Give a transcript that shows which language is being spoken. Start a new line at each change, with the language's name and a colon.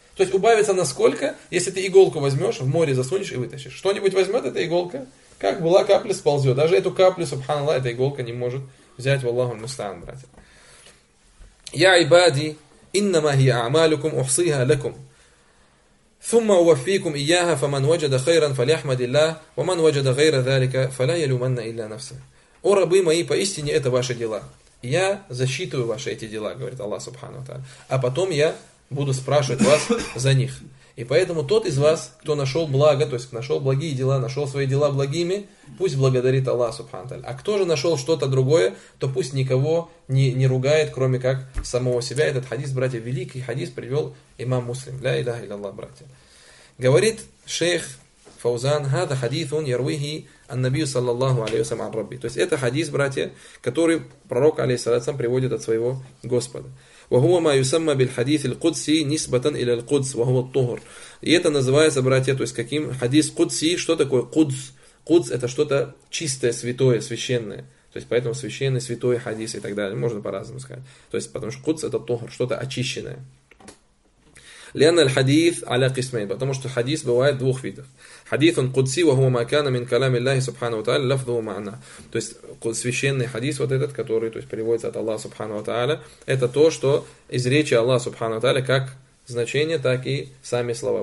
Russian: То есть убавится насколько, если ты иголку возьмешь, в море засунешь и вытащишь. Что-нибудь возьмет эта иголка, как была капля, сползет. Даже эту каплю, субханаллах, эта иголка не может взять, валлаху аль-мустаан, братья.
Arabic: Я ибади, иннама хия а'малюкум ухсиха лакум. ثم أوفيكم إياها فمن وجد خيرا فليحمد الله ومن وجد غير ذلك فلا يلومن إلا نفسه.
Russian: О рабы мои, поистине это ваши дела. Я засчитываю ваши эти дела, говорит Аллах Субхану Тааля. А потом я буду спрашивать вас за них. И поэтому тот из вас, кто нашел благо, то есть нашел благие дела, нашел свои дела благими, пусть благодарит Аллах Субхану Тааля. А кто же нашел что-то другое, то пусть никого не ругает, кроме как самого себя. Этот хадис, братья, великий хадис привел имам Муслим. Ля иляха илляллах, братья. Говорит шейх Фаузан,
Arabic: «Хаза хадисун ярвихи ан-набию саллаллаху алейхи ва салям».
Russian: То есть это хадис, братья, который пророк, алейхиссалям, приводит от своего Господа.
Arabic: وهو ما يسمى بالحديث القدسي نسبة إلى القدس وهو الطهر.
Russian: И это называется, братья, то есть каким хадис قدسي, что такое قدس? قدس это что-то чистое, святое, священное. То есть поэтому священный, святой хадис и так далее, можно по-разному сказать. То есть потому что قدس это طهر, что-то очищенное.
Arabic: لأن الحديث على قسمين,
Russian: потому что хадис бывает двух видов.
Arabic: حديث قدسي وهو ما كان من كلام الله سبحانه وتعالى لفظه ومعناه.
Russian: То есть священный хадис вот этот, который, то есть переводится от Аллаха Субхана ва Тааля, это то, что из речи Аллаха Субхана ва Тааля, как значение, так и сами слова.